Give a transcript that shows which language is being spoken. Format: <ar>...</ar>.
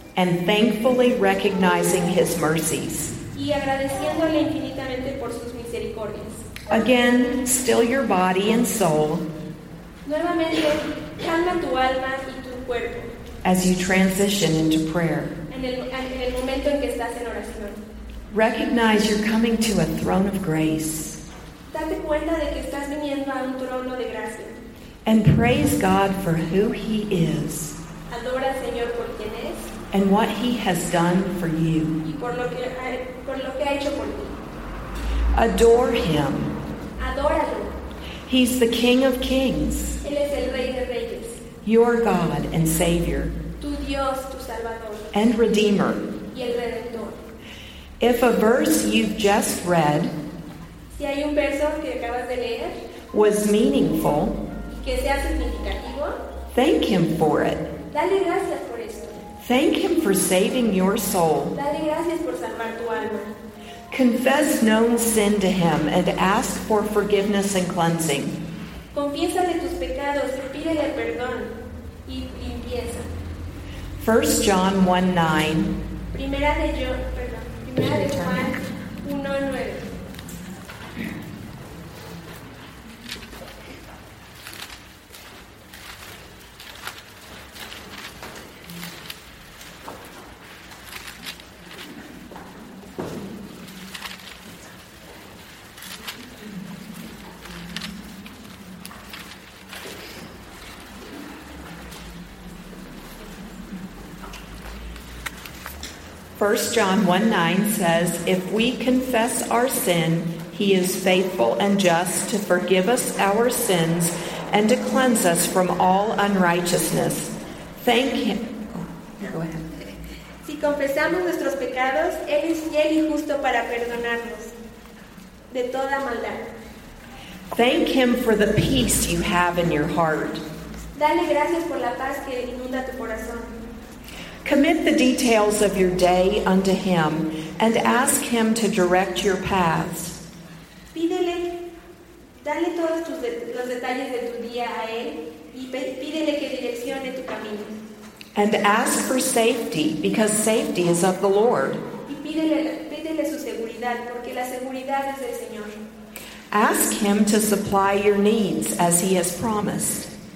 <en>And thankfully recognizing His mercies.</en> <es>Y agradeciéndole infinitamente por sus misericordias.</es> <en>Again, still your body and soul.</en> <es>Nuevamente, calma tu alma y tu cuerpo.</es> <en>As you transition into prayer.</en> <es>En el momento en que estás en oración.</es> <en>Recognize you're coming to a throne of grace.</en> <es>Date cuenta de que estás viniendo a un trono de gracia.</es> <en>And praise God for who He is.</en> <es>Adora al Señor por quien es.</es> <en>And what He has done for you.</en> <es>Y por lo que ha hecho por ti.</es> <en>Adore Him.</en> <es>Adóralo.</es> <en>He's the King of Kings.</en> <es>Él es el Rey de Reyes.</es> <en>Your God and Savior.</en> <es>Tu Dios, tu Salvador.</es> <en>And Redeemer.</en> <es>Y el Redentor.</es> <en>If a verse you've just read,</en> <es>Si hay un verso que acabas de leer,</es> <en>was meaningful,</en> <es>que sea significativo,</es> <en>thank him for it.</en> <es>Dale gracias por esto.</es> <en>Thank him for saving your soul.</en> <es>Dale gracias por salvar tu alma.</es> <en>Confess known sin to him and ask for forgiveness and cleansing.</en> <es>Confiesa de tus pecados y pídele perdón y limpieza.</es> <en>1 John 1:9.</en> <es>Primera de Juan 1:9.</es> <en>First John 1:9 says, if we confess our sin, he is faithful and just to forgive us our sins and to cleanse us from all unrighteousness. Thank him. Go ahead.</en> <es>Si confesamos nuestros pecados, él es fiel y justo para perdonarnos de toda maldad.</es> <en>Thank him for the peace you have in your heart.</en> <es>Dale gracias por la paz que inunda tu corazón.</es> <en>Commit the details of your day unto him and ask him to direct your paths.</en> <es>Pídele, dale todos los detalles de tu día a él y pídele que direccione tu camino.</es> <en>And ask for safety, because safety is of the Lord.</en> <es>Y pídele su seguridad, porque la seguridad es del Señor.</es> <en>Ask him to supply your needs as he has promised.</en>